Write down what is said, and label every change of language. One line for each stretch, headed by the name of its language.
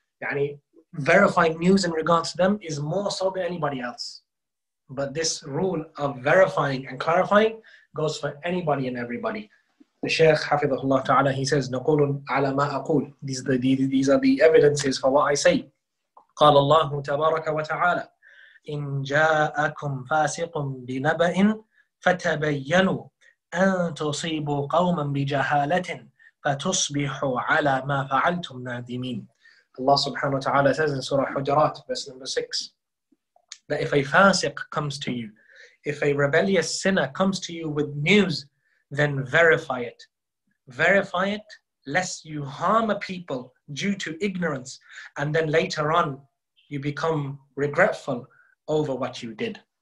English: Yani verifying news in regards to them is more so than anybody else. But this rule of verifying and clarifying goes for anybody and everybody. The Shaykh, hafidhahullah ta'ala, he says,
Arabic: نَقُولٌ عَلَى مَا أَقُولُ.
English: These are the evidences for what I say.
Arabic: قال الله تبارك وتعالى إن جاءكم فاسق بنبأ فتبينوا أن تصيبوا قوما بجهالة فتصبحوا على ما فعلتم نادمين.
English: Allah subhanahu wa ta'ala says in Surah Hujarat, verse number 6, that if a fasiq comes to you, if a rebellious sinner comes to you with news, then verify it. Verify it, lest you harm a people due to ignorance, and then later on, you become regretful over what you did.